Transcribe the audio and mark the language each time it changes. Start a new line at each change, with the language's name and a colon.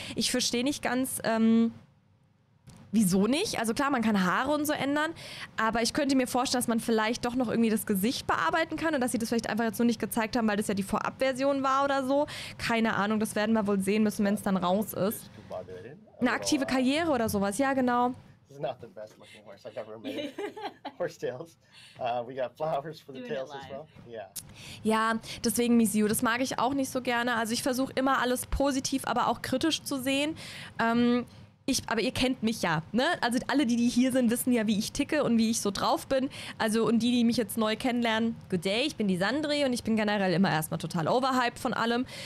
German: Ich verstehe nicht ganz, wieso nicht. Also klar, man kann Haare und so ändern, aber ich könnte mir vorstellen, dass man vielleicht doch noch irgendwie das Gesicht bearbeiten kann und dass sie das vielleicht einfach jetzt nur nicht gezeigt haben, weil das ja die Vorabversion war oder so. Keine Ahnung, das werden wir wohl sehen müssen, wenn es dann raus ist. Eine aktive Karriere oder sowas, ja genau.
English: This is not the best looking horse I've ever made. Horse tails. We got flowers for the tails as well.
German: Ja, deswegen Misio, das mag ich auch nicht so gerne. Also ich versuche immer alles positiv, aber auch kritisch zu sehen. Aber ihr kennt mich ja, ne? Also alle, die hier sind, wissen ja, wie ich ticke und wie ich so drauf bin. Also und die mich jetzt neu kennenlernen,
English: good day,
German: ich bin die Sandri und ich bin generell immer erstmal total overhyped von allem.